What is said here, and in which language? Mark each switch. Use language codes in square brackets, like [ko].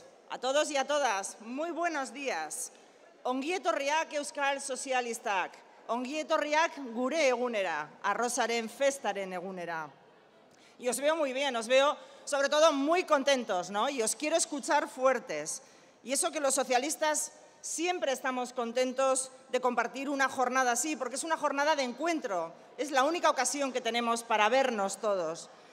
[es] A todos y a todas, muy buenos días. [eu] Ongi etorriak Euskal Sozialistak, ongi etorriak gure egunera, arrozaren festaren egunera. [es] Y os veo muy bien, os veo sobre todo muy contentos, ¿no? Y os quiero escuchar fuertes. Y eso que los socialistas siempre estamos contentos de compartir una jornada así, porque es una jornada de encuentro, es la única ocasión que tenemos para vernos todos.